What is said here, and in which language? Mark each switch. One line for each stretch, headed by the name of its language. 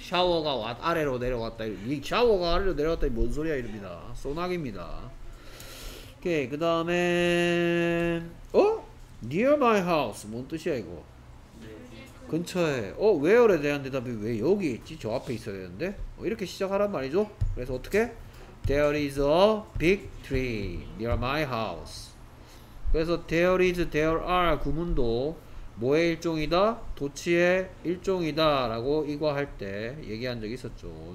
Korean: 샤워가 아래로 내려왔다. 이 샤워가 아래로 내려왔다. 뭔 소리야 이릅니다. 소나기입니다. 오케이. 그 다음에 어?
English: near my house.
Korean: 뭔 뜻이야 이거? 근처에. 어? where에 대한 대답이 왜 여기 있지? 저 앞에 있어야 되는데? 어, 이렇게 시작하란 말이죠. 그래서 어떻게?
English: there is a big tree near my house.
Korean: 그래서
English: there is, there are
Korean: 구문도 뭐의 일종이다? 도치의 일종이다 라고 이거 할 때 얘기한 적이 있었죠.